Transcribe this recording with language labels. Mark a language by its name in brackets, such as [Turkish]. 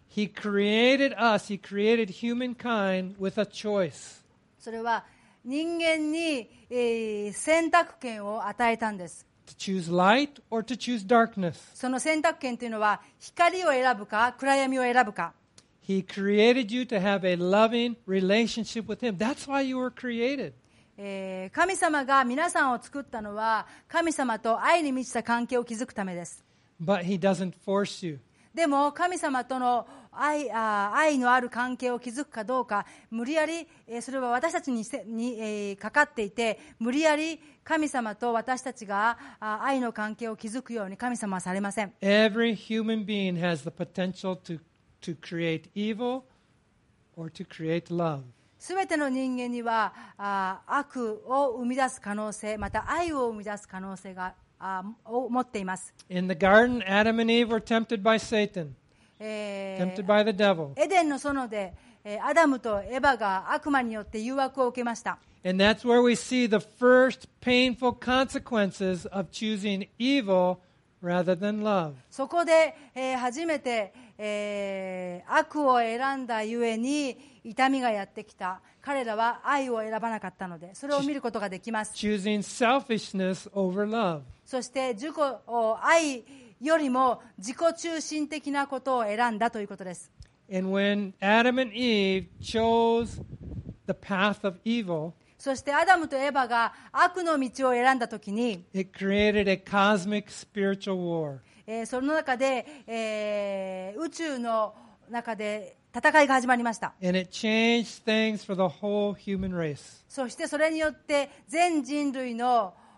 [English] He created us, he created humankind with a choice. [Japanese] それは人間に選択権を与えたんです。 [English] To choose light or to choose darkness. [Japanese] その選択権というのは光を選ぶか暗闇を選ぶか。 [English] He created you to have a loving relationship with him. That's why you were created. [Japanese] 神様が皆さんを作ったのは神様と愛に満ちた関係を築くためです。 [English] But he doesn't force you. [Japanese] でも神様との愛のある関係を築くかどうか無理やりそれは私たちにかかっていて無理やり神様と私たちが愛の関係を築くように神様はされません。 [English] Every human being has the potential to create evil or to create love. [Japanese] すべての人間には悪を生み出す可能性また愛を生み出す可能性がを持っています。 [English] In the garden, Adam and Eve were tempted by Satan, tempted by the devil. [Japanese] エデンの園でアダムとエヴァが悪魔によって誘惑を受けました。 [English] And that's where we see the first painful consequences of choosing evil rather than love. [Japanese] そこで初めて悪を選んだゆえに痛みがやってきた彼らは愛を選ばなかったのでそれを見ることができます [English] Choosing selfishness over love. [Japanese] そして自己を愛よりも自己中心的なことを選んだということです [English] And when Adam and Eve chose the path of evil, [Japanese] そしてアダムとエヴァが悪の道を選んだときに [English] It created a cosmic spiritual war. [Japanese] その中で、宇宙の中で戦いが始まりました。 [English] And it changed things for the whole human race. [Japanese] そしてそれによって全人類の